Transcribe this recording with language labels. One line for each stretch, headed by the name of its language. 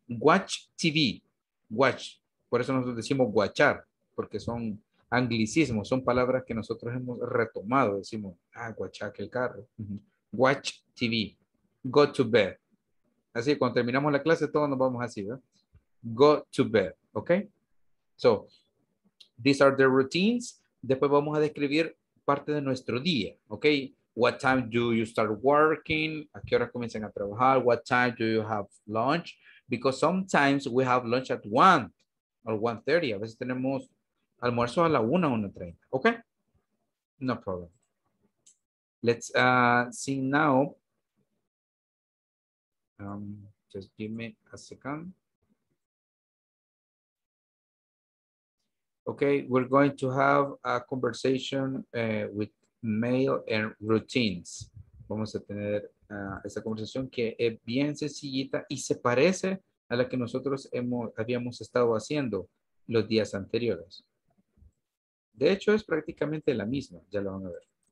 English: Watch TV. Watch.
Spanish: Por eso nosotros decimos guachar. Porque son anglicismo, son palabras que nosotros hemos retomado, decimos, guachaque el carro.
English: Watch TV. Go to bed.
Spanish: Así, cuando terminamos la clase, todos nos vamos así, ¿verdad?
English: Go to bed. Okay? So, these are the routines.
Spanish: después vamos a describir parte de nuestro día, ¿ok?
English: What time do you start working?
Spanish: ¿A qué hora comienzan a trabajar?
English: What time do you have lunch? Because sometimes we have lunch at 1 or 1:30.
Spanish: A veces tenemos almuerzo a la 1 o 1:30. ¿Ok? No problem.
English: Let's see now. Just give me a second. Okay, we're going to have a conversation with mail and routines.
Spanish: Vamos a tener esa conversación que es bien sencillita y se parece a la que nosotros habíamos estado haciendo los días anteriores. De hecho, es prácticamente la misma, ya lo van a ver.